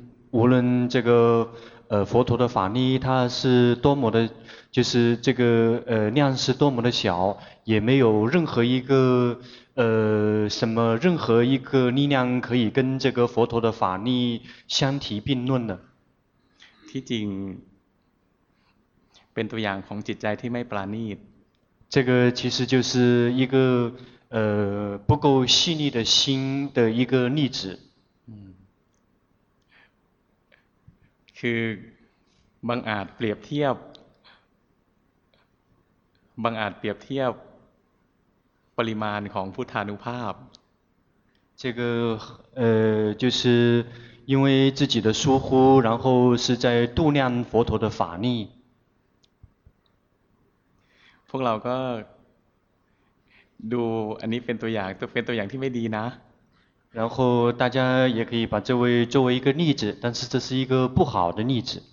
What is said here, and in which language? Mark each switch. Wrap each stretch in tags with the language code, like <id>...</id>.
<zh>无论这个佛陀的法力它是多么的就是这个量是多么的小也没有任何一个什么任何一个力量可以跟这个佛陀的法力相提并论的</zh> <th>ที่จริงเป็นตัวอย่างของจิตใจที่ไม่ปราณีต</th> <zh>这个其实就是一个不够细腻的心的一个例子</zh> <th>คือบังอาจเปรียบเทียบบังอาจเปรียบเทียบปริมาณของพุทธานุภาพ</th> <zh>这个就是因为自己的疏忽然后是在度量佛陀的法力</zh> <th>พวกเราก็ดูอันนี้เป็นตัวอย่างเป็นตัวอย่างที่ไม่ดีนะ</th> <zh>然后大家也可以把这位作为一个例子但是这是一个不好的例子</zh>